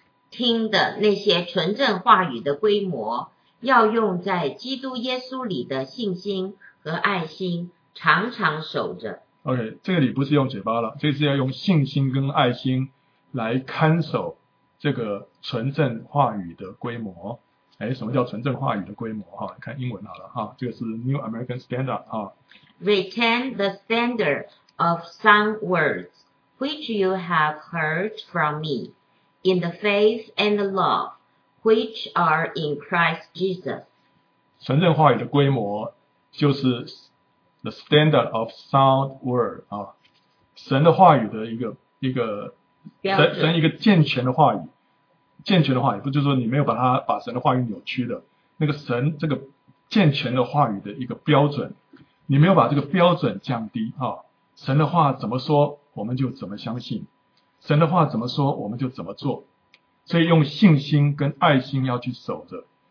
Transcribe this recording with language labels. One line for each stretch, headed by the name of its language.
Chinese: 听的那些纯正话语的规模，要用在基督耶稣里的信心和爱心常常守着。 OK， 这个里不是用嘴巴了，这是要用信心跟爱心来看守这个纯正话语的规模。哎，什么叫纯正话语的规模？看英文好了，这个是 New American Standard。
English: Retain the standard of sound words which you have heard from me in the faith and the love which are in Christ Jesus。
Chinese: 纯正话语的规模就是
English: the standard of sound word，
Chinese: 神的话语的一个神一个健全的话语，健全的话语不就是说你没有把神的话语扭曲的那个神这个健全的话语的一个标准，你没有把这个标准降低，神的话怎么说我们就怎么相信，神的话怎么说我们就怎么做，所以用信心跟爱心要去守着。